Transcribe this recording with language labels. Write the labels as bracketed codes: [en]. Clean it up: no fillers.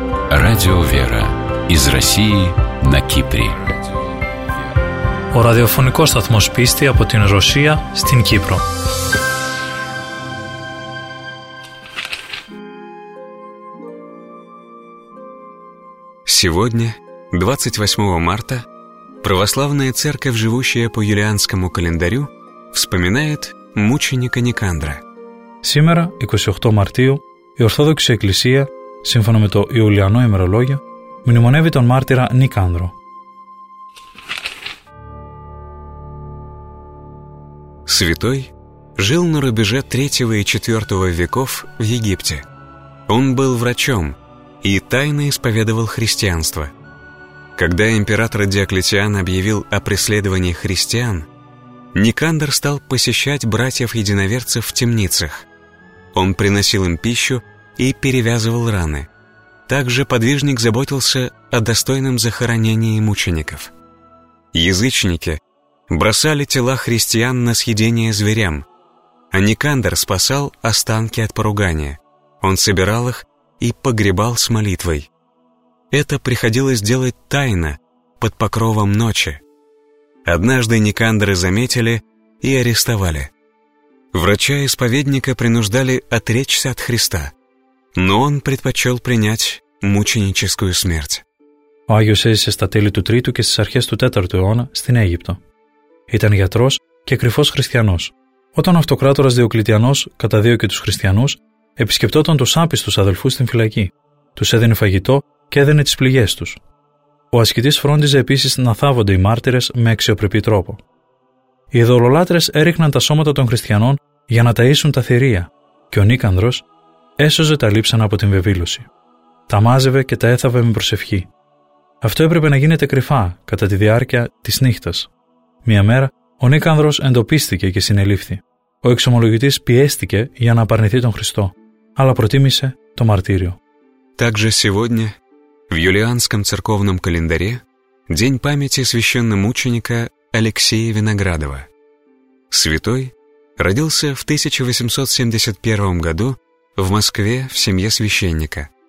[ru] Радио «Вера» из России на Кипре. [el] Ο ραδιοφωνικός σταθμός πίστη από την Ρωσία στην Κύπρο. [ru] Сегодня, 28 марта, православная церковь, живущая по юлианскому календарю, вспоминает мученика Никандра. Сегодня, 28 марта, [el] η Ορθόδοξη Εκκλησία, σύμφωνα με το Ιουλιανό ημερολόγιο, μνημονεύει τον μάρτυρα Νικάνδρο. [ru] Святой жил на рубеже 3 и 4 веков в Египте. Он был врачом и тайно исповедовал христианство. Когда император Диоклетиан объявил о преследовании христиан, Никандр стал посещать братьев-единоверцев в темницах. Он приносил им пищу и перевязывал раны. Также подвижник заботился о достойном захоронении мучеников. Язычники бросали тела христиан на съедение зверям, а Никандр спасал останки от поругания. Он собирал их и погребал с молитвой. Это приходилось делать тайно, под покровом ночи. Однажды Никандры заметили и арестовали. Врача-исповедника принуждали отречься от Христа, но он предпочел принять мученическую смерть. [el] Ο Άγιος έζησε στα τέλη του 3ου και στις αρχές του 4ου αιώνα στην Αίγυπτο. Ήταν γιατρός και κρυφός χριστιανός. Όταν ο αυτοκράτορας Διοκλητιανός καταδίωκε τους χριστιανούς, επισκεπτόταν τους άπιστους αδελφούς στην φυλακή. Τους έδινε φαγητό και έδαινε τις πληγές τους. Ο ασκητής φρόντιζε επίσης να θάβονται οι μάρτυρες με αξιοπρεπή τρόπο. Οι ειδωλολάτρες έριχναν τα σώματα των χριστιανών για να ταΐσουν τα θηρία και ο Νίκανδρος έσωζε τα λείψανα από την βεβήλωση. Τα μάζευε και τα έθαβε με προσευχή. Αυτό έπρεπε να γίνεται κρυφά κατά τη διάρκεια της νύχτας. Μια μέρα ο Νίκανδρος εντοπίστηκε και συνελήφθη. Ο εξομολογητής πιέστηκε για να απαρνηθεί τον Χριστό, αλλά προτίμησε το μαρτύριο. [ru] Также сегодня, в юлианском церковном календаре, день памяти священномученика Алексея Виноградова. Святой родился в 1871 году в Москве в семье священника.